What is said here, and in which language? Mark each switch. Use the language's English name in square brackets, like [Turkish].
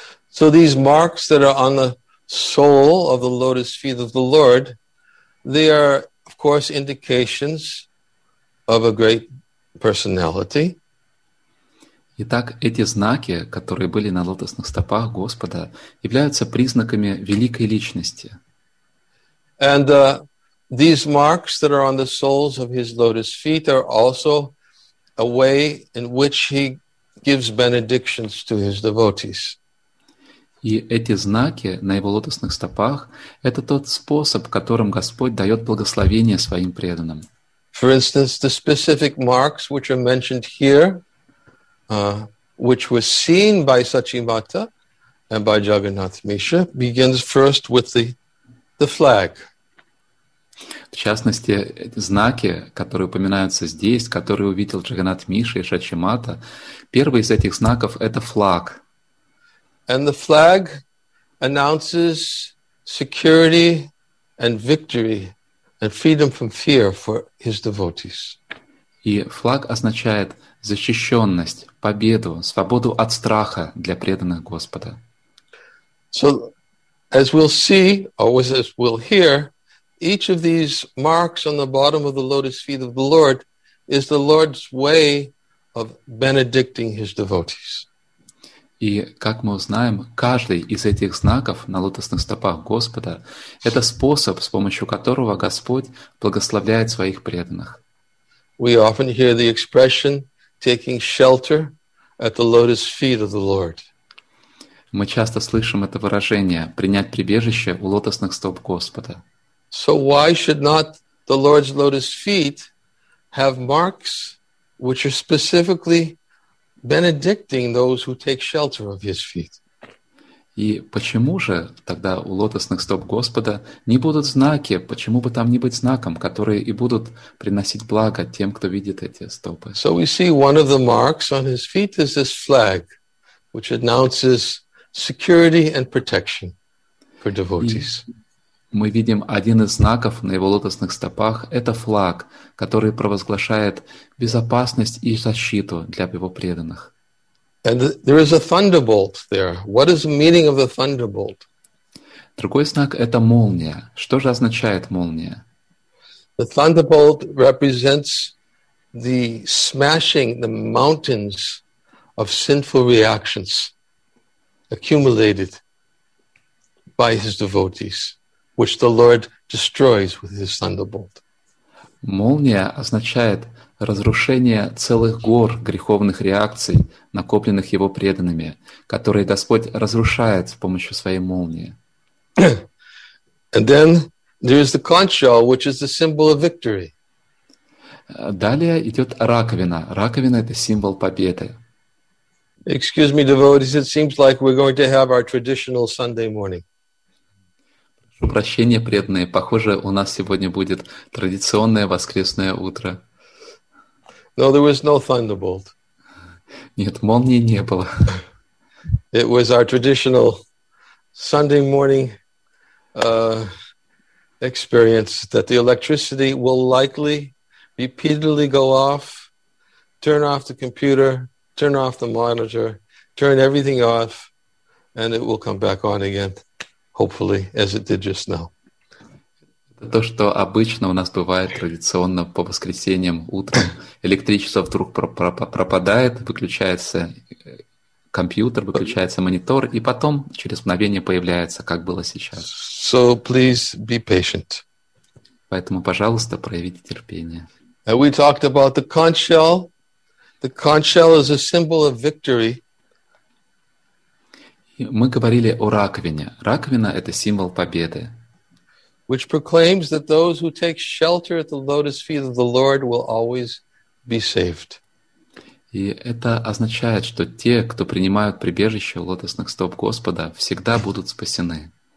[English] So these marks that are on the sole of the lotus feet of the Lord, they are, of course, indications of a great personality. [Russian] Итак, эти знаки, которые были на лотосных стопах Господа, являются признаками великой личности. [English] And these marks that are on the soles of his lotus feet are also a way in which he gives benedictions to his devotees. [Russian] И эти знаки на его лотосных стопах — это тот способ, которым Господь дает благословение своим преданным. [English] For instance, the specific marks which are mentioned here, which were seen by Sachi Mata and by Jagannath Mishra, begins first with the flag. [Russian] В частности, знаки, которые упоминаются здесь, которые увидел Джаганнат Миша и Сачи Мата, первый из этих знаков — это флаг. [English] And the flag announces security and victory and freedom from fear for his devotees. [Russian] И флаг означает защищенность, победу, свободу от страха для преданных Господа. [English] So, as we'll see, or as we'll hear, each of these marks on the bottom of the lotus feet of the Lord is the Lord's way of benedicting his devotees. [Russian] И, как мы узнаем, каждый из этих знаков на лотосных стопах Господа — это способ, с помощью которого Господь благословляет своих преданных. [English] We often hear the expression «taking shelter at the lotus feet of the Lord». [Russian] Мы часто слышим это выражение «принять прибежище у лотосных стоп Господа». [English] So why should not the Lord's lotus feet have marks which are specifically benedicting those who take shelter of his feet? [Russian] И почему же тогда у лотосных стоп Господа не будут знаки, почему бы там не быть знаком, которые и будут приносить благо тем, кто видит эти стопы? [English] So we see one of the marks on his feet is this flag, which announces security and protection for devotees. [Russian] Мы видим один из знаков на его лотосных стопах — это флаг, который провозглашает безопасность и защиту для его преданных. [English] And there is a thunderbolt there. What is the meaning of the thunderbolt? [Russian] Другой знак — это молния. Что же означает молния? [English] The thunderbolt represents the smashing the mountains of sinful reactions accumulated by his devotees, which the Lord destroys with his thunderbolt. [Russian] Молния означает разрушение целых гор греховных реакций, накопленных его преданными, которые Господь разрушает с помощью своей молнии. [English] And then there is the conch shell, which is the symbol of victory. [Russian] Далее идет раковина. Раковина — это символ победы. [English] Excuse me, devotees, it seems like we're going to have our traditional Sunday morning. [Russian] Прощение, преданные. Похоже, у нас сегодня будет традиционное воскресное утро. [English] No, there was no thunderbolt. [Russian] Нет, молнии не было. [English] It was our traditional Sunday morning experience that the electricity will likely repeatedly go off, turn off the computer, turn off the monitor, turn everything off, and it will come back on again. Hopefully, as it did just now. [Russian] Это то, что обычно у нас бывает традиционно по воскресеньям утром. Электричество вдруг пропадает, выключается компьютер, выключается монитор, и потом через мгновение появляется, как было сейчас. [English] So please be patient. [Russian] Поэтому, пожалуйста, проявите терпение. [English] And we talked about the conch shell. The conch shell is a symbol of victory. [Russian] Мы говорили о раковине. Раковина — это символ победы. [English] Which proclaims that those who take shelter at the lotus feet of the Lord will always be saved. [Russian] И это означает, что те, кто принимают прибежище у лотосных стоп Господа, всегда будут спасены.